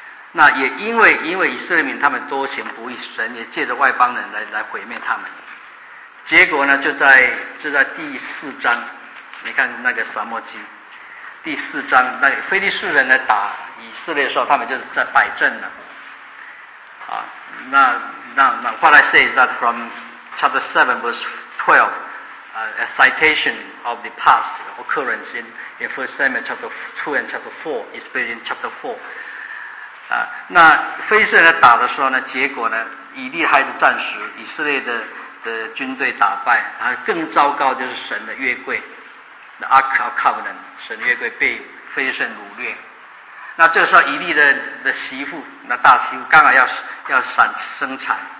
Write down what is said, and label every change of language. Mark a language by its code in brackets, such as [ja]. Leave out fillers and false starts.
[zh] 那也因为以色列民他们多行不义，神也借着外邦人来毁灭他们。结果呢，就在第四章，你看那个沙漠记，第四章那个非利士人来打以色列的时候，他们就是在摆阵了。 [en] 啊，那 what I say is that from chapter 7 verse 12。 A citation of the past occurrence in 1 Samuel chapter 2 and chapter 4, especially in chapter 4. [zh] 那非士人打的时候呢，结果呢，以利还是战死，以色列的军队打败。然后更糟糕就是神的约柜 ，the Ark of Covenant， 神的约柜被非士人掳掠。那这时候以利的媳妇，那大媳妇刚好要产生产。